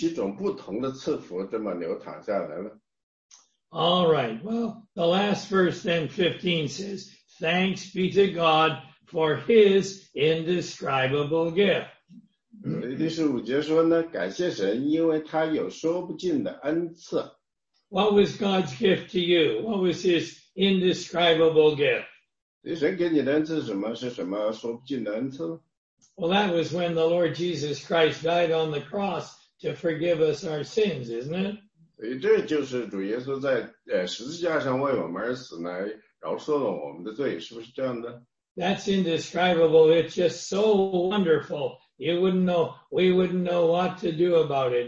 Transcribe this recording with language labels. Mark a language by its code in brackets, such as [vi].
[zh] 所以呢，问题是你做了什么，让这十七种不同的赐福这么流淌下来呢？ [en] All right, well, the last verse then, 15, says, thanks be to God for his indescribable gift. [zh] 第十五节说呢，感谢神，因为他有说不尽的恩赐。 [en] What was God's gift to you? What was his indescribable gift? [zh] 神给你的恩赐是什么？是什么说不尽的恩赐？ [en] Well, that was when the Lord Jesus Christ died on the cross to forgive us our sins, isn't it? [zh] 所以这就是主耶稣在十字架上为我们而死呢，饶恕了我们的罪，是不是这样的？ [en] That's indescribable. It's just so wonderful. You wouldn't know, we wouldn't know what to do about it.